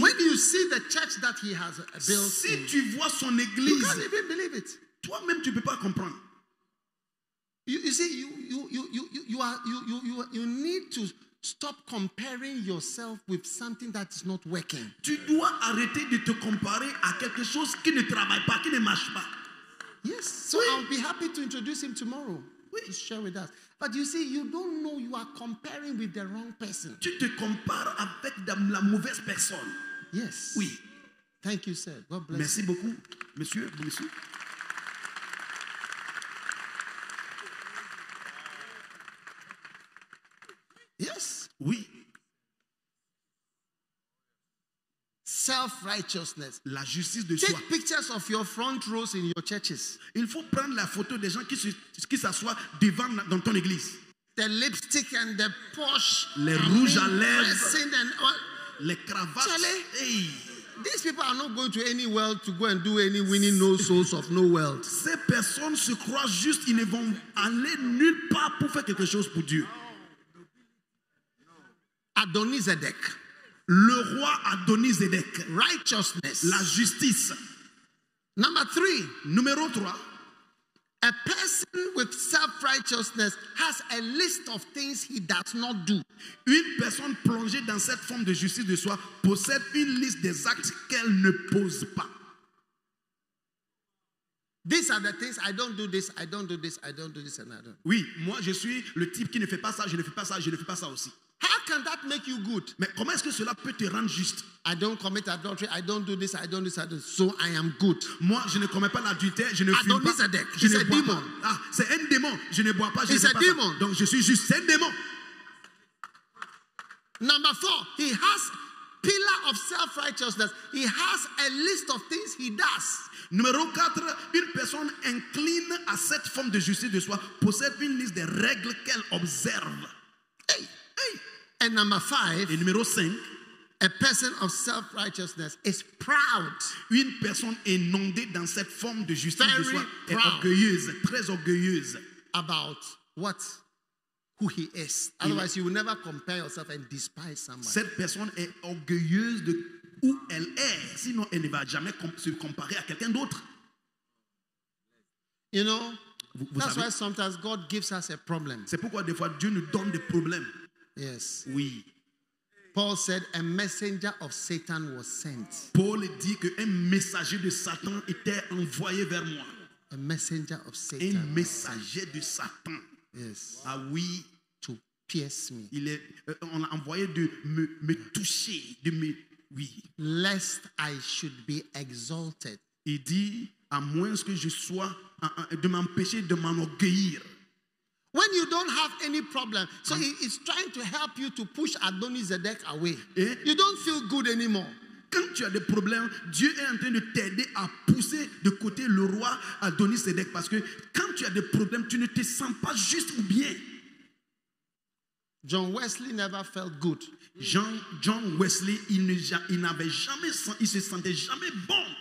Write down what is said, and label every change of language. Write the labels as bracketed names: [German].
[English] When you see the church that he has built, [French] si tu vois son église, [English] you can't even believe it. [French] Toi-même, tu peux pas comprendre. [English] You need to stop comparing yourself with something that is not working. [French] Tu dois arrêter de te comparer à quelque chose qui ne travaille pas, qui ne marche pas. [English] Yes. So I'll be happy to introduce him tomorrow. To share with us. But you see, you don't know you are comparing with the wrong person. [French] Tu te compares avec la mauvaise personne. [English] Yes. [French] Oui. [English] Thank you, sir. God bless [French] Merci [English] you. [French] Merci beaucoup, monsieur, monsieur. [English] Yes. [French] Oui. [English] Self-righteousness. [French] La justice de [English] Take [French] soi. [English] Take pictures of your front rows in your churches. [French] Il faut prendre la photo des gens qui s'assoient devant dans ton église. [English] The lipstick and the posh. [French] Les rouges à lèvres. Les cravates. [English] Charlie, hey. These people are not going to any world to go and do any winning no souls of no world. [French] Ces personnes se croient juste, ils ne vont aller nulle part pour faire quelque chose pour Dieu. [English] Adonizedek. [French] Le roi Adonizedek. [English] Righteousness. [French] La justice. [English] Number three. [French] Numéro trois. [English] A person with self-righteousness has a list of things he does not do. [French] Une personne plongée dans cette forme de justice de soi possède une liste des actes qu'elle ne pose pas. [English] These are the things I don't do this, I don't do this, I don't do this, and I don't. [French] Oui, moi je suis le type qui ne fait pas ça, je ne fais pas ça, je ne fais pas ça aussi. [English] How can that make you good? [French] Mais comment est-ce que cela peut te rendre juste? [English] I don't commit adultery, I don't do this, I don't do this, I don't. So I am good. [French] Moi, je ne commets pas l'adultère, je ne fume pas. Adonizedek, c'est un démon. Ah, c'est un démon. Je ne bois pas, je ne fais pas. C'est un démon. Donc je suis juste, c'est un démon. [English] Number four, he has pillar of self-righteousness. He has a list of things he does. [French] Numéro 4, une personne incline à cette forme de justice de soi possède une liste des règles qu'elle observe. [English] Hey. And number five, [French] et numéro 5, A person of self-righteousness is proud. Une personne est inondée dans cette forme de justice soi, est orgueilleuse, très orgueilleuse [English] about what who he is. Otherwise, you will never compare yourself and despise somebody. [French] Cette personne est orgueilleuse de où elle est, sinon elle ne va jamais se comparer à quelqu'un d'autre. [English] You know, that's why sometimes God gives us a problem. [French] C'est pourquoi des fois Dieu nous donne des problèmes. [English] Yes. [French] Oui. [English] Paul said a messenger of Satan was sent. [French] Paul dit que un messager de Satan était envoyé vers moi. [English] A messenger of Satan. [French] Un messager de Satan. [English] Yes. [French] Ah oui. [English] To pierce me. [French] Il est, on l'a envoyé de me toucher, de me, oui. [English] Lest I should be exalted. [French] Il dit à moins que je sois de m'empêcher de m'enorgueillir. [English] When you don't have any problem, so he is trying to help you to push Adonis Zedek away. Eh? You don't feel good anymore. [French] Quand tu as des problèmes, Dieu est en train de t'aider à pousser de côté le roi Adonis Zedek parce que quand tu as des problèmes, tu ne te sens pas juste ou bien. [English] John Wesley never felt good. [French] John Wesley, il se sentait jamais bon.